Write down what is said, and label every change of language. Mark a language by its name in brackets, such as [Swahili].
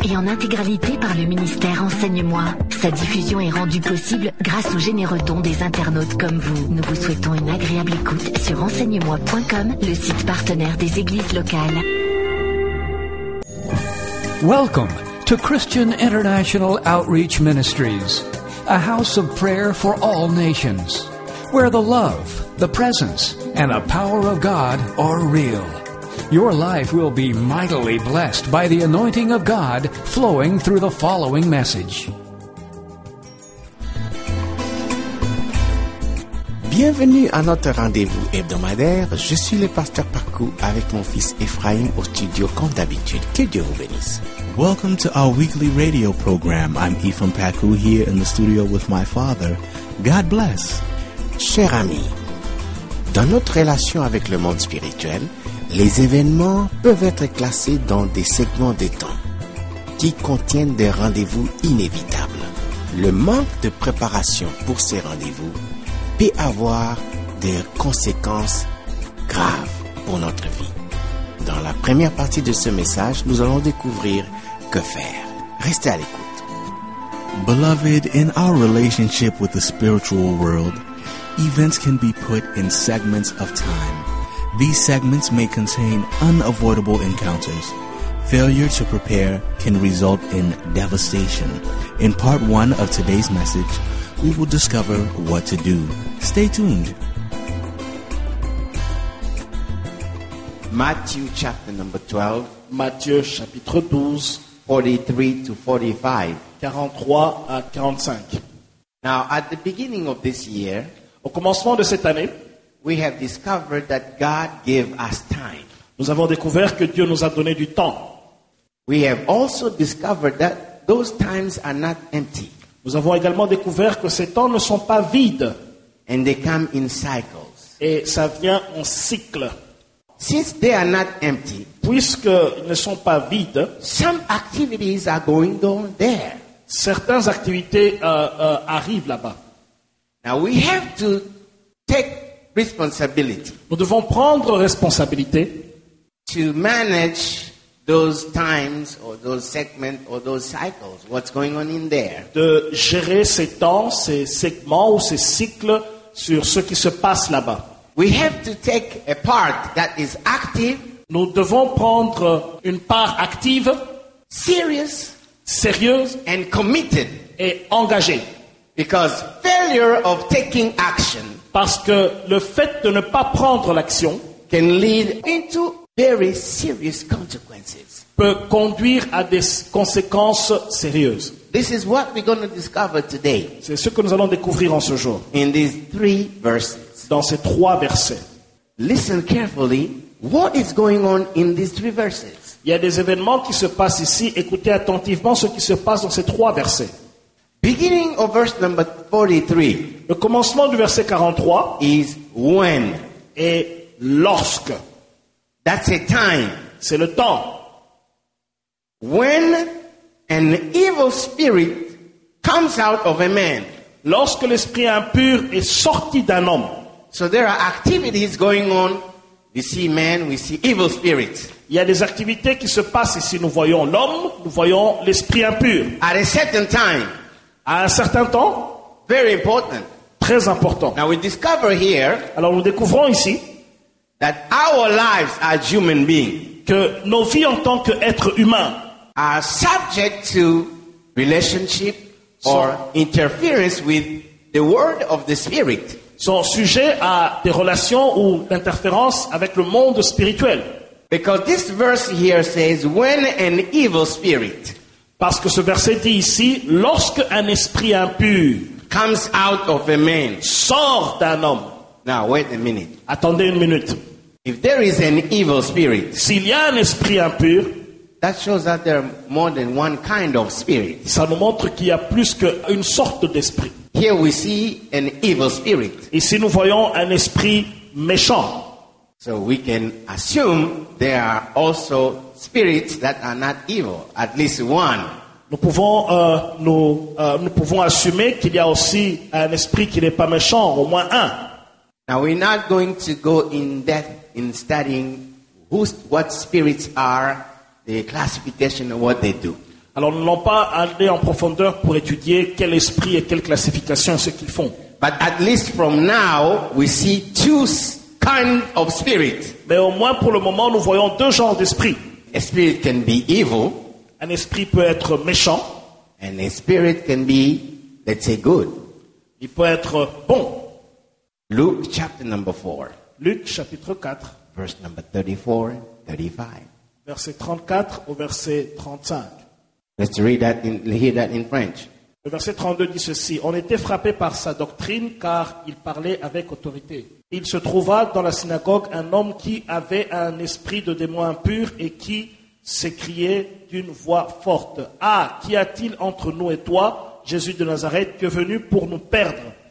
[French] Et en intégralité par le ministère Enseigne-moi. Sa diffusion est rendue possible grâce aux généreux dons des internautes comme vous. Nous vous souhaitons une agréable écoute sur enseignemoi.com, le site partenaire des églises locales. [English] Welcome to Christian International Outreach Ministries, a house of prayer for all nations, where the love, the presence, and the power of God are real. Your life will be mightily blessed by the anointing of God flowing through the following message. [French] Bienvenue à notre rendez-vous hebdomadaire. Je suis le pasteur Paco avec mon fils Ephraim au studio comme d'habitude. Que Dieu vous bénisse. [English] Welcome to our weekly radio program. I'm Ephraim Paco here in the studio with my father. God bless. [French] Cher ami, dans notre relation avec le monde spirituel, les événements peuvent être classés dans des segments de temps qui contiennent des rendez-vous inévitables. Le manque de préparation pour ces rendez-vous peut avoir des conséquences graves pour notre vie. Dans la première partie de ce message, nous allons découvrir que faire. Restez à l'écoute. [English] Beloved, in our relationship with the spiritual world, events can be put in segments of time. These segments may contain unavoidable encounters. Failure to prepare can result in devastation. In part one of today's message, we will discover what to do. Stay tuned. Matthew chapter number 12. [French] Matthieu chapitre 12. [English] 43 to 45. [French] 43 à 45. [English] Now, at the beginning of this year, [French] au commencement de cette année, [English] we have discovered that God gave us time. [French] Nous avons découvert que Dieu nous a donné du temps. [English] We have also discovered that those times are not empty. [French] Nous avons également découvert que ces temps ne sont pas vides. [English] And they come in cycles. [French] Et ça vient en cycle. [English] Since they are not empty, [French] puisqu'ils ne sont pas vides, [English] some activities are going on there. [French] Certaines activités arrivent là-bas. [English] Now we have to take responsibility. [French] Nous devons prendre responsabilité [English] to manage those times or those segments or those cycles. What's going on in there? [French] De gérer ces temps, ces segments ou ces cycles sur ce qui se passe là-bas. [English] We have to take a part that is active. [French] Nous devons prendre une part active, [English] serious, [French] sérieuse [English] and committed [French] et engagée. [English] Because failure of taking action, [French] parce que le fait de ne pas prendre l'action, [English] can lead into very serious consequences. [French] Peut conduire à des conséquences sérieuses. [English] This is what we're going to discover today. [French] C'est ce que nous allons découvrir en ce jour. [English] In these three verses. [French] Dans ces trois versets. [English] Listen carefully. What is going on in these three verses? [French] Il y a des événements qui se passent ici. Écoutez attentivement ce qui se passe dans ces trois versets. [English] Beginning of verse number 43. [French] Le commencement du verset 43 [English] is when. [French] Et lorsque. [English] That's a time. [French] C'est le temps. [English] When an evil spirit comes out of a man. [French] Lorsque l'esprit impur est sorti d'un homme. [English] So there are activities going on. We see man, we see evil spirits. [French] Il y a des activités qui se passent ici. Nous voyons l'homme, nous voyons l'esprit impur. [English] At a certain time. [French] À un certain temps. [English] Very important. [French] Très important. [English] Now we discover here. [French] Alors nous découvrons ici. [English] That our lives as human beings. [French] Que nos vies en tant qu'être humain. [English] Are subject to relationship or interference with the word of the spirit. [French] Sont sujets à des relations ou d'interférences avec le monde spirituel. [English] Because this verse here says when an evil spirit. [French] Parce que ce verset dit ici lorsque un esprit impur [English] comes out of a man. [French] Sort d'un homme. [English] Now wait a minute. [French] Attendez une minute. [English] If there is an evil spirit, [French] s'il y a un esprit impur, [English] that shows that there are more than one kind of spirit. [French] Ça nous montre qu'il y a plus qu'une sorte d'esprit. [English] Here we see an evil spirit. [French] Ici nous voyons un esprit méchant. [English] So we can assume there are also spirits that are not evil, at least one. [French] Nous pouvons assumer qu'il y a aussi un esprit qui n'est pas méchant, au moins un. [English] Now we're not going to go in depth in studying what spirits are, the classification of what they do. [French] Alors, nous n'allons pas aller en profondeur pour étudier quel esprit et quelle classification ce qu'ils font. [English] But at least from now, we see two kind of spirit. [French] Mais au moins pour le moment, nous voyons deux genres d'esprit. [English] A spirit can be evil. [French] Un esprit peut être méchant. [English] And a spirit can be, let's say, good. [French] Il peut être bon. [English] Luke chapter number 4. [French] Luc chapitre 4. [English] Verse number 34, 35. [French] Verset 34 au verset 35. [English] Let's read that in, hear that in French. [French] Le verset 32 dit ceci. On était frappé par sa doctrine car il parlait avec autorité. Il se trouva dans la synagogue un homme qui avait un esprit de démon impur et qui s'écriait d'une voix forte. « Ah, qu'y a-t-il entre nous et toi, Jésus de Nazareth, qui est venu pour nous perdre?